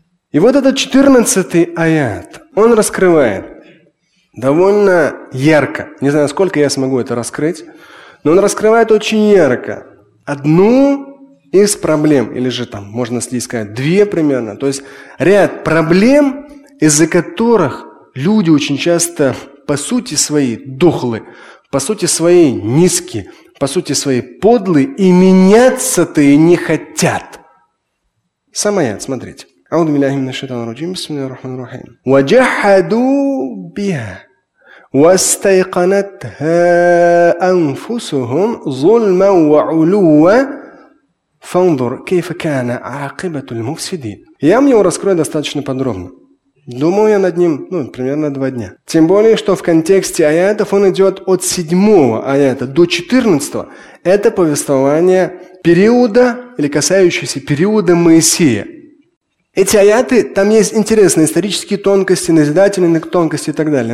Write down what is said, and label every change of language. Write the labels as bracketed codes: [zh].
[ru] И вот этот 14-й аят, он раскрывает довольно ярко, не знаю, сколько я смогу это раскрыть, но он раскрывает очень ярко одну из проблем, или же там, можно сказать, две примерно, то есть ряд проблем, из-за которых люди очень часто по сути своей дохлы, по сути своей низки, по сути своей подлы и меняться-то и не хотят. Сам аят, смотрите. [ar] أعوذ بالله من الشيطان الرجيم بسم الله الرحمن الرحيم وجحدوا بها واستيقنتها أنفسهم ظلما وعلوا فانظر كيف كان عاقبة المفسدين. [ru] Я вам его раскрою достаточно подробно. Думал я над ним, ну, примерно два дня. Тем более, что в контексте аятов он идет от 7 аята до 14. Это повествование периода или касающееся периода Моисея. Эти аяты, там есть интересные исторические тонкости, назидательные тонкости и так далее.